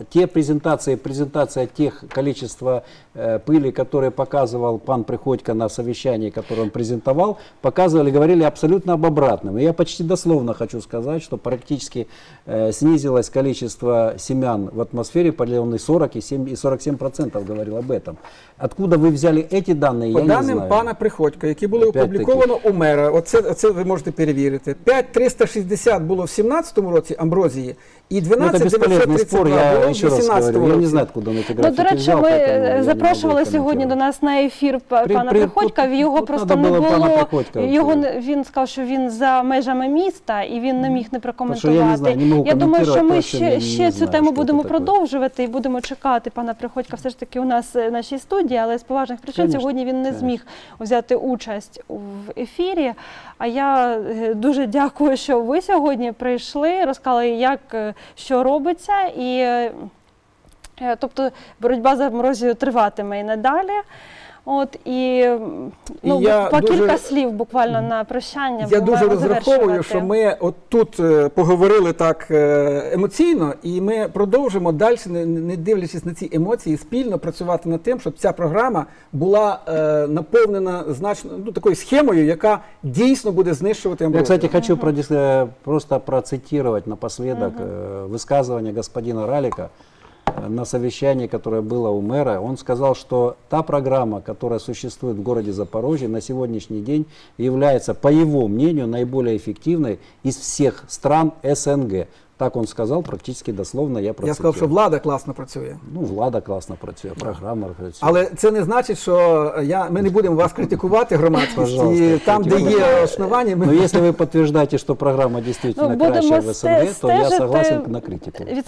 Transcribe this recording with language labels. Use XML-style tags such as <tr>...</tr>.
<uk>Ті презентації, презентація тих кількість пилі, які показував пан Приходько на совіщанні, яке він презентував, показували, говорили абсолютно об обратному.</uk> <ru>Я почти дословно хочу сказати, що практично знизилось кількість сім'ян в атмосфере, поделённый 47%, говорил об этом. Откуда вы взяли эти данные, я не знаю. По данным пана Приходько, которые были опубликованы у мэра, вот это вы можете проверить. 5360 было в 2017 году амброзии, и 12932 было в 2018 году. Я не знаю, откуда он эти графики взял. До речи, мы запрошували сегодня до нас на эфир пана Приходько, его просто не было. Он сказал, что он</ru> <uk>за межами міста,</uk> <ru>и он не мог не прокомментировать.</ru> <uk>Я думаю,</uk> <ru>что мы еще эту тему</ru> <uk>будемо продовжувати і будемо чекати пана Приходька все ж таки у нас в нашій студії, але з поважних причин сьогодні він не зміг взяти участь в ефірі. А я дуже дякую, що ви сьогодні прийшли, розказали, як, що робиться. І, тобто боротьба за морозію триватиме і надалі. От, і, ну, і по кілька дуже, слів буквально на прощання. Я дуже розраховую, що ми от тут поговорили так емоційно, і ми продовжимо далі, не дивлячись на ці емоції, спільно працювати над тим, щоб ця програма була наповнена значно, ну, такою схемою, яка дійсно буде знищувати амброзію. Я, кстати, хочу просто процитувати напослідок висказування господина Ралика.</uk> <ru>На совещании, которое было у мэра, он сказал, что та программа, которая существует в городе Запорожье, на сегодняшний день является, по его мнению, наиболее эффективной из всех стран СНГ.</ru> <uk>Так он сказав, практично дословно я процитую. Я сказав, що влада класно працює. Ну, влада класно працює, програма працює. Але це не значить, що ми не будемо вас критикувати, громадськості. І там, де є основання, ми... Ну, якщо ви підтверджуєте, що програма дійсно краща в СНГ,</uk> <ru>то я согласен на критику.</ru>